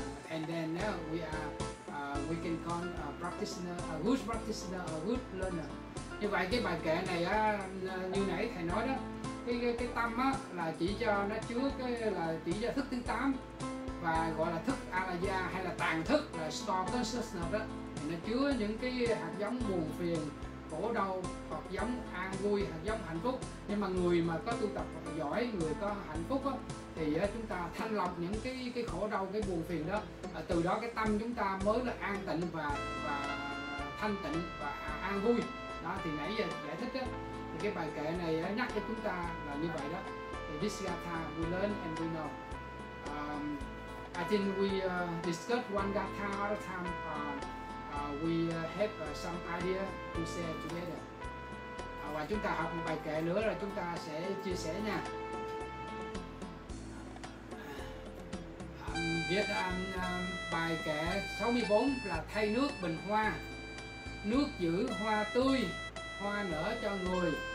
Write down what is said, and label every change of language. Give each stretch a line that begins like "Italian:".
English: And then we are, we can call a practitioner, a good practitioner, a good learner.
Vietnamese: Như vậy cái bài kệ này như nãy thầy nói đó, cái tâm á, là chỉ cho nó chứa cái là chỉ cho thức thứ 8 và gọi là thức Alaya hay là tàng thức, là store consciousness đó, thì nó chứa những cái hạt giống buồn phiền, khổ đau, hạt giống an vui, hạt giống hạnh phúc. Nhưng mà người mà có tu tập giỏi, người có hạnh phúc á, thì chúng ta thanh lọc những cái khổ đau, cái buồn phiền đó, từ đó cái tâm chúng ta mới là an tịnh và thanh tịnh và an vui đó. Thì nãy giờ giải thích đó, thì cái bài kệ này nhắc cho chúng ta là như vậy đó.
English: This gatha we learn and we know. I think we discuss one gatha at a time. We have some idea to share together.
Vietnamese: Và chúng ta học một bài kệ nữa là chúng ta sẽ chia sẻ nha. Viết bài kệ 64 là thay nước bình hoa. Nước giữ hoa tươi, hoa nở cho người.